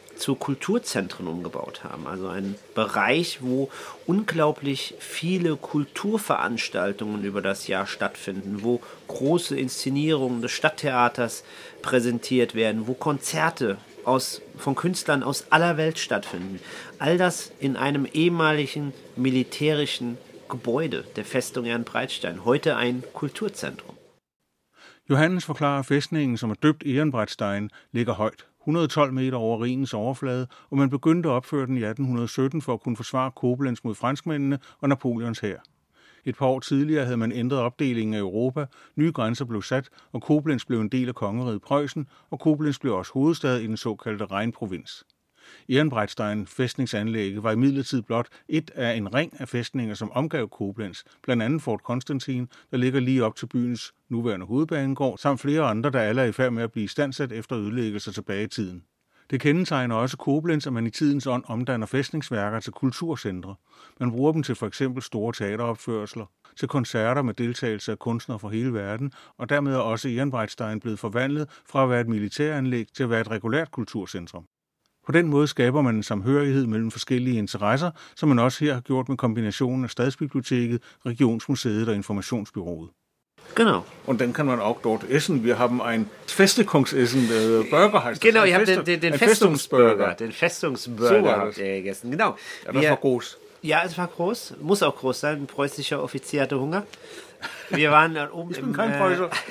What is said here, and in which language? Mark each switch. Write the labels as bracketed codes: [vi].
[de] zu Kulturzentren umgebaut haben. Also ein Bereich, wo unglaublich viele Kulturveranstaltungen über das Jahr stattfinden, wo große Inszenierungen des Stadttheaters präsentiert werden, wo Konzerte von Künstlern aus aller Welt stattfinden. All das in einem ehemaligen militärischen Gebäude der Festung Jan Breitstein, heute ein Kulturzentrum. [da] Johannes forklarer, at fæstningen, som er døbt Ehrenbreitstein, ligger højt, 112 meter over Rhinens overflade, og man begyndte at opføre den i 1817 for at kunne forsvare Koblenz mod franskmændene og Napoleons hær. Et par år tidligere havde man ændret opdelingen af Europa, nye grænser blev sat, og Koblenz blev en del af kongeriget Preussen, og Koblenz blev også hovedstad i den såkaldte Rheinprovins. Ehrenbreitstein fæstningsanlægget var imidlertid blot et af en ring af fæstninger, som omgav Koblenz, blandt andet Fort Konstantin, der ligger lige op til byens nuværende hovedbanegård, samt flere andre, der alle er i færd med at blive standsat efter ødelæggelser tilbage i tiden. Det kendetegner også Koblenz, at man i tidens ånd omdanner fæstningsværker til kulturcentre. Man bruger dem til f.eks. store teateropførsler, til koncerter med deltagelse af kunstnere fra hele verden, og dermed er også Ehrenbreitstein blevet forvandlet fra at være et militæranlæg til at være et regulært kulturcentrum. På den måde skaber man en samhørighed mellem forskellige interesser, som man også her har gjort med kombinationen af Stadsbiblioteket, Regionsmuseet og Informationsbyrået. [de] Genau. Und dann kann man auch dort essen. Wir haben ein Festigungsessen, Burger heißt Genau, ich habe den Festungsburger. Den Festungsburger habt ihr gegessen, genau. Ja, das war groß. Ja, es war groß. Muss auch groß sein. Ein preußischer Offizier hatte Hunger. Wir waren da oben. Ich bin kein Preußer.